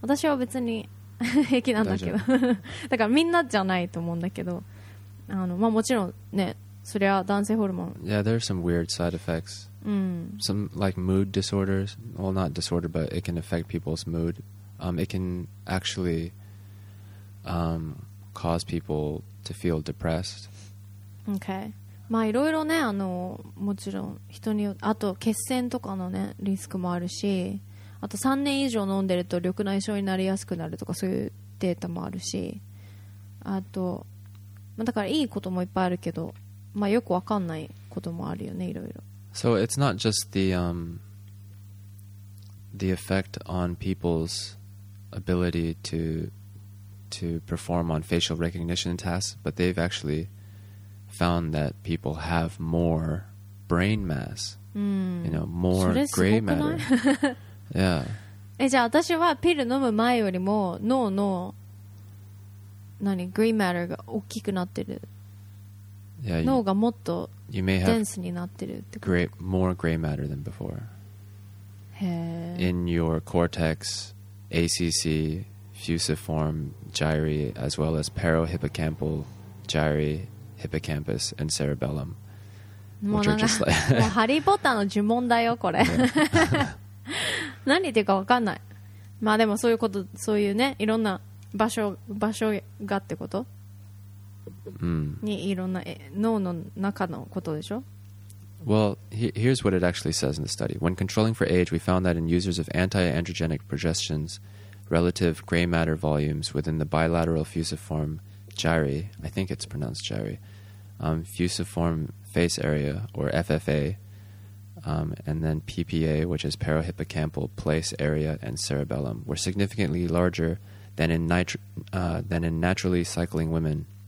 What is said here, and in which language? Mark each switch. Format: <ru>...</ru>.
<ja>私は別に平気なんだけど、だからみんなじゃないと思うんだけど。まあ、もちろんね、そりゃ男性ホルモン。</ja> <en>Yeah, there are some weird side effects. Some like mood disorders. Well, not disorder, but it can affect people's mood. It can actually cause people to feel depressed. Okay.</en> <ja>まあいろいろね、もちろん人によって、あと血栓とかのね、リスクもあるし、あと3年以上飲んでると緑内障になりやすくなるとか、そういうデータもあるし、あと、だからいいこともいっぱいあるけど、まあ、よくわかんないこともあるよね、いろいろ。</ja> <en>So it's not just the effect on people's ability to perform on facial recognition tasks, but they've actually found that people have more brain mass, you know, more gray matter. Yeah.</en> <ja>じゃあ私はピル飲む前よりも脳の何グリーンマターが大きくなってる、</ja> <en>yeah,</en> <ja>脳がもっとデンスになってるってこと。</ja> <en>More gray matter than before. へ In your cortex, ACC, fusiform, gyri, as well as parohippocampal, gyri, hippocampus, and cerebellum.</en> <ja>もうなんか、もうハリーポッターの呪文だよこれ。何言ってるか分かんない。まあでもそういうこと、そういうね、いろんな場所がってこと、 mm. にいろんな脳の中のことでしょ。</ja> <en>Well, here's what it actually says in the study. When controlling for age, we found that in users of anti-androgenic progestins, relative gray matter volumes within the bilateral fusiform gyri, I think it's pronounced gyri, fusiform face area, or FFA, and then PPA, which is parohippocampal place area and cerebellum, were significantly largerthan in naturally cycling women,</en>